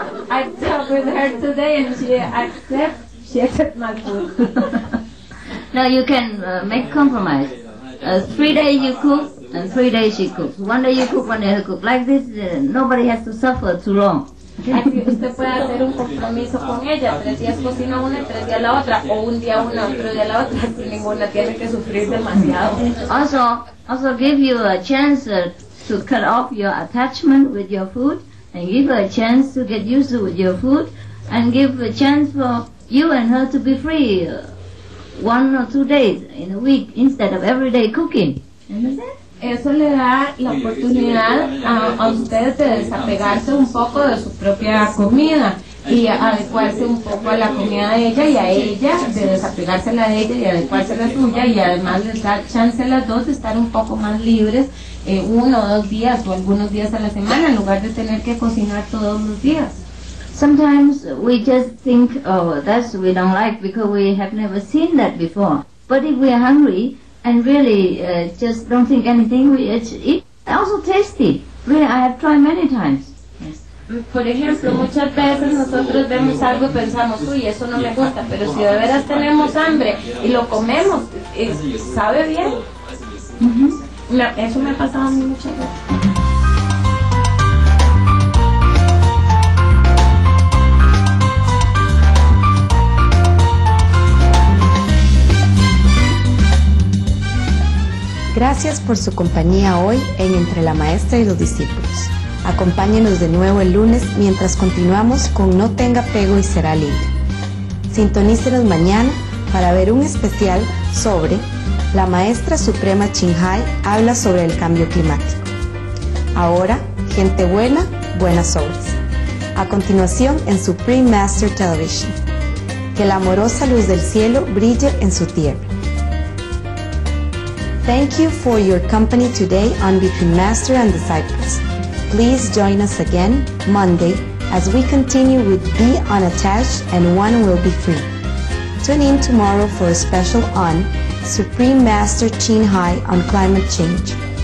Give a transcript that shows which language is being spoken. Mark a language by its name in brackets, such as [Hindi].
[English] I talked with her today and she accepted my food. No, you can make compromise. 3 days you cook and 3 days she cooks. One day you cook, one day she cooks. Like this, nobody has to suffer too long. [Spanish] Así usted puede hacer un compromiso con ella, 3 días cocina una y 3 días la otra, o un día una, otro día la otra, si ninguna tiene que sufrir demasiado. [English] Also give you a chance to cut off your attachment with your food, and give her a chance to get used to your food, and give a chance for you and her to be free one or two days in a week instead of every day cooking. [Spanish] Eso le da la oportunidad a ustedes de desapegarse un poco de su propia comida y adecuarse un poco a la comida de ella, y a ella de desapegarse la de ella y adecuarse la suya, y además les da chance a las dos de estar un poco más libres uno o dos días o algunos días a la semana, en lugar de tener que cocinar todos los días. [English] Sometimes we just think, oh, that's we don't like because we have never seen that before. But if we are hungry and really just don't think anything, we eat. Also tasty. Really, I have tried many times. Yes. [Spanish] por ejemplo, muchas veces nosotros vemos algo y pensamos, uy, eso no me gusta, pero si de veras tenemos hambre y lo comemos, ¿sabe bien? No, eso me ha pasado a mí muchas veces. Gracias por su compañía hoy en Entre la Maestra y los Discípulos. Acompáñenos de nuevo el lunes mientras continuamos con No Tenga Apego y Será Libre. Sintonícenos mañana para ver un especial sobre La Maestra Suprema Chinhai habla sobre el cambio climático. Ahora, gente buena, buenas obras. A continuación en Supreme Master Television. Que la amorosa luz del cielo brille en su tierra. [English] Thank you for your company today on Between Master and Disciples. Please join us again Monday as we continue with Be Unattached and One Will Be Free. Tune in tomorrow for a special on Supreme Master Chinhai on Climate Change.